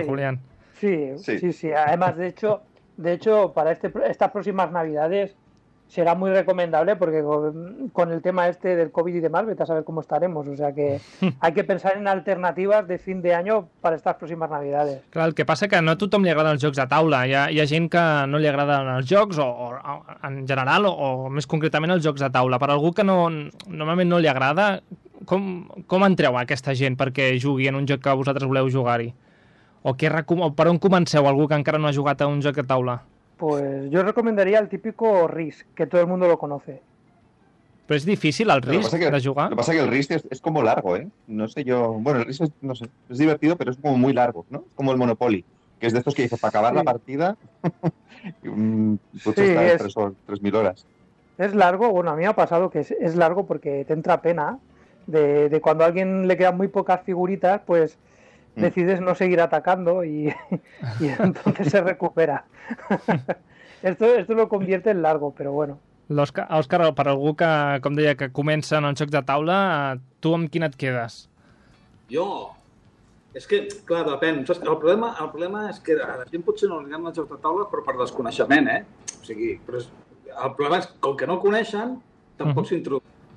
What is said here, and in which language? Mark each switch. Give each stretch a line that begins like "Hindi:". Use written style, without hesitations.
Spanish: sí. Julián. Sí. Además, de hecho, para estas próximas Navidades será muy recomendable porque con el tema este del COVID y demás, vete a saber cómo estaremos. O sea que hay que pensar en alternativas de fin de año para estas próximas Navidades.
Catalan: Clar, el que passa que no a tothom li agraden els jocs de taula. Hi ha gent que no li agraden els jocs o en general o més concretament els jocs de taula. Per algú que normalment no li agrada, com entreu a aquesta gent perquè jugui en un joc que vosaltres voleu jugar-hi? O per on comenceu, algú que encara no ha jugat a un joc de taula?
Spanish: Pues yo recomendaría el típico Risk, que todo el mundo lo conoce.
Catalan: Però és difícil el Risk de jugar?
Spanish: Lo que pasa que el Risk es como largo, ¿eh? No sé yo... Bueno, el Risk es, no sé, es divertido, pero es como muy largo, ¿no? Es como el Monopoly, que es de estos que dices, para acabar la partida, pues sí, está 3.000 horas. Es largo, bueno, a mí me ha pasado que es largo porque te entra pena de cuando a alguien le quedan muy pocas figuritas, pues... decides no seguir atacando y entonces se recupera. Esto lo convierte en largo, pero bueno.
Catalan: Òscar, per algú que, com deia, que comença en el joc de taula, tu amb quin et quedes? Jo? És que, clar, depèn. Saps? El problema és que a la gent potser no li agrada el joc de taula, però per desconeixement, eh? O sigui, però el problema és que, com que no coneixen, tampoc s'introduen.